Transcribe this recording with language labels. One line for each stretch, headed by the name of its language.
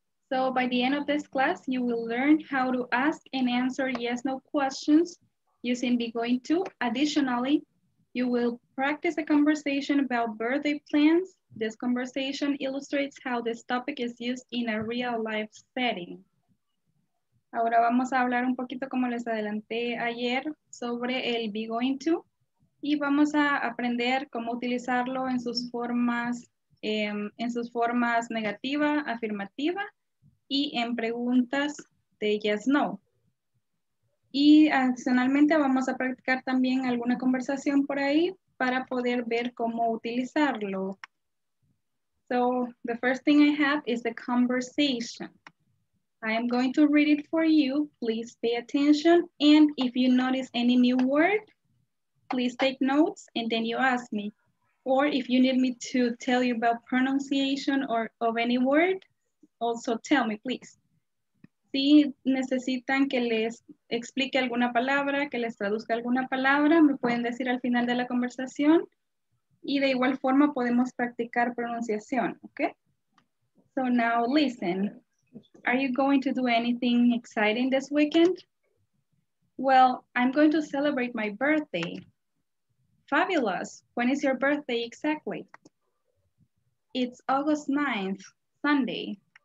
English: So by the end of this class, you will learn how to ask and answer yes/no questions using be going to. Additionally, you will practice a conversation about birthday plans. This conversation illustrates how this topic is used in a real life setting.
Spanish: Ahora vamos a hablar un poquito, como les adelanté ayer, sobre el be going to, y vamos a aprender cómo utilizarlo en sus formas negativa, afirmativa, y en preguntas este yes, no. Y adicionalmente vamos a practicar también alguna conversación por ahí para poder ver cómo utilizarlo.
English: So, the first thing I have is the conversation. I am going to read it for you. Please pay attention. And if you notice any new word, please take notes and then you ask me. Or if you need me to tell you about pronunciation or of any word, also tell me, please.
Spanish: Si necesitan que les explique alguna palabra, que les traduzca alguna palabra, me pueden decir al final de la conversación. Y de igual forma podemos practicar pronunciación, okay?
English: So now listen. Are you going to do anything exciting this weekend? Well, I'm going to celebrate my birthday. Fabulous. When is your birthday exactly? It's August 9th, Sunday.